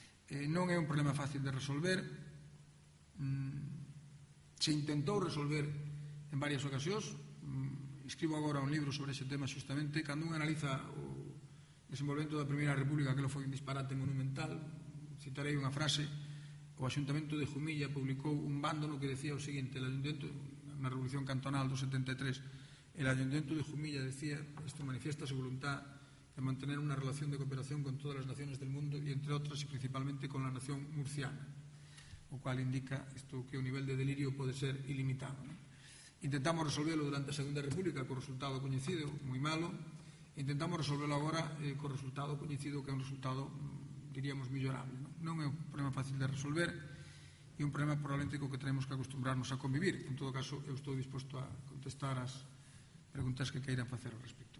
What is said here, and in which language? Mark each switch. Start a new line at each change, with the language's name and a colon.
Galician: Non é un problema fácil de resolver. Se intentou resolver en varias ocasións, escribo agora un libro sobre ese tema xustamente, cando un analiza o desenvolvemento da Primeira República, que lo foi un disparate monumental, citarei unha frase: o Ayuntamiento de Jumilla publicou un bándolo que decía o seguinte, el Ayuntamiento, na Revolución Cantonal do 73, el Ayuntamiento de Jumilla decía,
Spanish: esto manifiesta su voluntad de mantener una relación de cooperación con todas las naciones del mundo y entre otras y principalmente con la nación murciana,
Galician: o cual indica esto, que o nivel de delirio pode ser ilimitado, ¿no? Intentamos resolverlo durante a Segunda República con resultado coñecido, moi malo. Intentamos resolverlo agora con resultado coñecido, que é un resultado, diríamos, millorable, ¿no? Non é un problema fácil de resolver e un problema probablemente co que tenemos que acostumbrarnos a convivir. En todo caso, eu estou disposto a contestar as preguntas que queiran facer ao respecto.